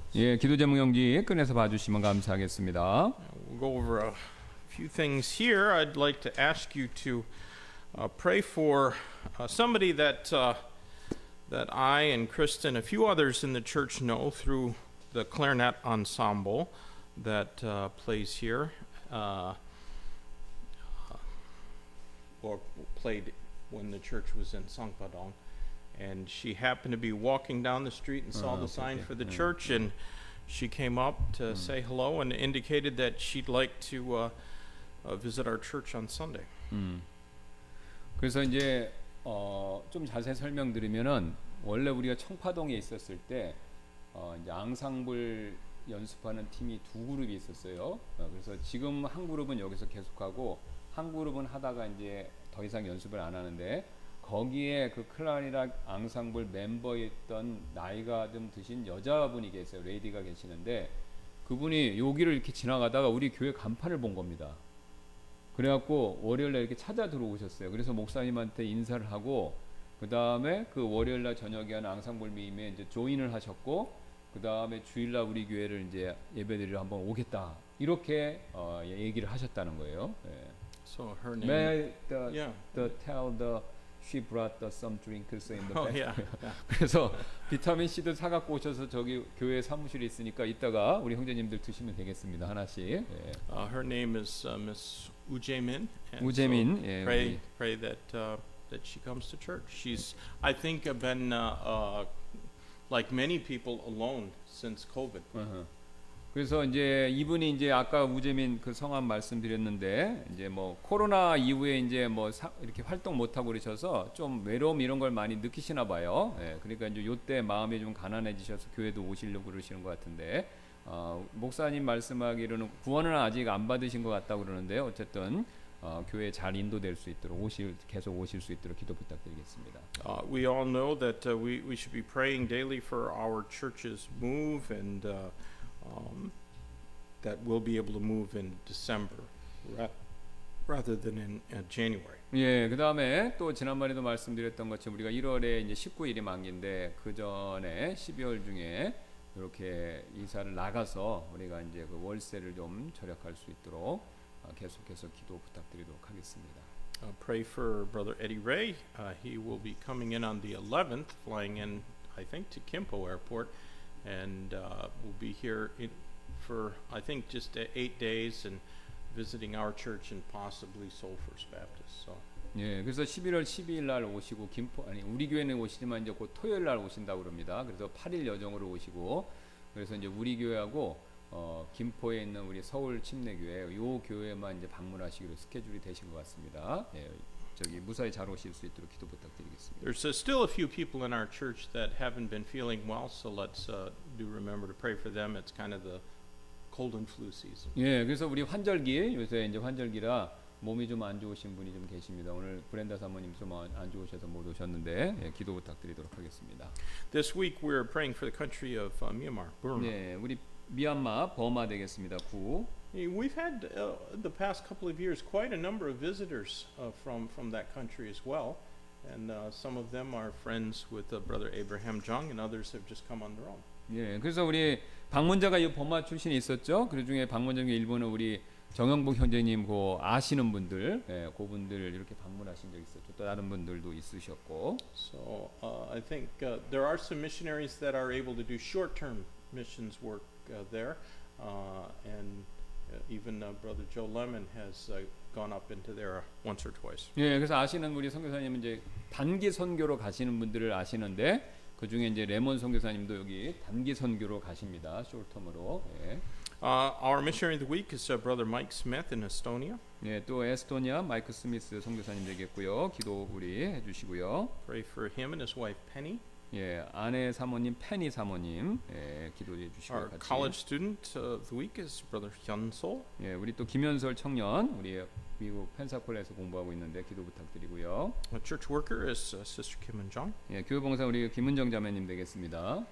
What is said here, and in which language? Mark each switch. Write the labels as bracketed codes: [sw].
[ko] 예, 기도 제목 용지 꺼내서 봐 주시면 감사하겠습니다. [en] We'll go over a few things here. I'd like to ask you to pray for somebody that I and Kristen a few others in the church know through the clarinet ensemble that plays here or played when the church was in Sangpa-dong. And she happened to be walking down the street and saw the sign for the church, and she came up to say hello and indicated that she'd like to visit our church on Sunday. [ko] 그래서 이제 좀 자세히 설명드리면은 원래 우리가 청파동에 있었을 때 이제 앙상블 연습하는 팀이 두 그룹이 있었어요. 그래서 지금 한 그룹은 여기서 계속하고 한 그룹은 하다가 이제 더 이상 연습을 안 하는데. 거기에 그 클라리넷 앙상블 멤버였던 나이가 좀 드신 여자분이 계세요. 레이디가 계시는데 그분이 여기를 이렇게 지나가다가 우리 교회 간판을 본 겁니다. 그래갖고 월요일날 이렇게 찾아 들어오셨어요. 그래서 목사님한테 인사를 하고 그 다음에 그 월요일날 저녁에 한 앙상블 미임에 이제 조인을 하셨고 그 다음에 주일날 우리 교회를 이제 예배드리러 한번 오겠다 이렇게 얘기를 하셨다는 거예요. 예. [en] So her name. May the yeah. the tell the she brought the some drinks in the back. Oh, yeah. Yeah. [ko] 그래서 비타민 C도 사 갖고 오셔서 저기 교회 사무실에 있으니까 이따가 우리 형제님들 드시면 되겠습니다. 하나씩. 예. [en] Her name is Miss 우재민. 우재민. So 예, pray [ko] 우리. [en] pray that that she comes to church. She's I think been like many people alone since COVID. Uh-huh. [ko] 그래서 이제 이분이 이제 아까 우재민 그 성함 말씀드렸는데 이제 뭐 코로나 이후에 이제 뭐 이렇게 활동 못 하고 그러셔서 좀 외로움 이런 걸 많이 느끼시나 봐요. 예, 그러니까 이제 요때 마음이 좀 가난해지셔서 교회도 오시려고 그러시는 것 같은데 목사님 말씀하기로는 구원은 아직 안 받으신 것 같다고 그러는데요. 어쨌든 교회 잘 인도될 수 있도록 계속 오실 수 있도록 기도 부탁드리겠습니다. [en] We all know that we should be praying daily for our church's move and that we'll be able to move in December rather than in January. [ko] 예, 그다음에 또 지난번에도 말씀드렸던 것처럼 우리가 1월에 이제 19일이 만기인데 그 전에 12월 중에 이렇게 이사를 나가서 우리가 이제 그 월세를 좀 절약할 수 있도록 계속해서 기도 부탁드리도록 하겠습니다. [en] Pray for brother Eddie Ray. He will be coming in on the 11th flying in I think to Kimpo Airport. And we'll be here in for, I think, just 8 days and visiting our church and possibly Seoul First Baptist. So. [ko] 예, 그래서 11월 12일 날 오시고 김포 아니 우리 교회는 오시지만 이제 곧 토요일 날 오신다고 합니다. 그래서 8일 여정으로 오시고 그래서 이제 우리 교회하고 김포에 있는 우리 서울 침례교회 요 교회만 이제 방문하시기로 스케줄이 되신 것 같습니다. 예. 저기 무사히 잘 오실 수 있도록 기도 부탁드리겠습니다. [en] There's still a few people in our church that haven't been feeling well, so let's do remember to pray for them. It's kind of the cold and flu season. [ko] 예, 그래서 우리 환절기 요새 이제 환절기라 몸이 좀 안 좋으신 분이 좀 계십니다. 오늘 브렌다 사모님 좀 안 좋으셔서 못 오셨는데 예, 기도 부탁드리도록 하겠습니다. [en] This week we're praying for the country of Myanmar, Burma. [ko] 예, 우리 미얀마 버마 되겠습니다. 구 [en] We've had the past couple of years quite a number of visitors from that country as well, and some of them are friends with Brother Abraham Jung, and others have just come on their own. [ko] 예, 그래서 우리 방문자가 이 버마 출신이 있었죠. 그 중에 방문자 중에 일본은 우리 정영복 형제님 그 아시는 분들, 예, 그분들 이렇게 방문하신 적 있었죠. 또 다른 분들도 있으셨고. [en] So I think there are some missionaries that are able to do short-term missions work there, and even Brother Joe Lemon has gone up into there once or twice. [ko] 예, 그래서 아시는 우리 선교사님은 이제 단기 선교로 가시는 분들을 아시는데 그 중에 이제 레몬 선교사님도 여기 단기 선교로 가십니다. 숏텀으로. 예. [en] Our missionary of the week is Brother Mike Smith in Estonia. [ko] 예, 또 에스토니아 마이크 스미스 선교사님 되겠고요. 기도 우리 해 주시고요. [en] Pray for him and his wife Penny. [ko] 예, 아내 사모님 페니 사모님 예, 기도해 주시고 [en] Our [ko] 같이. [en] College student of the week is Brother Hyunsol. [ko] 예, 우리 또 김현설 청년 우리 미국 펜사콜에서 공부하고 있는데 기도 부탁드리고요. [en] A church worker is Sister Kim and Jong. [ko] 예, 교회 봉사 우리 김은정 자매님 되겠습니다.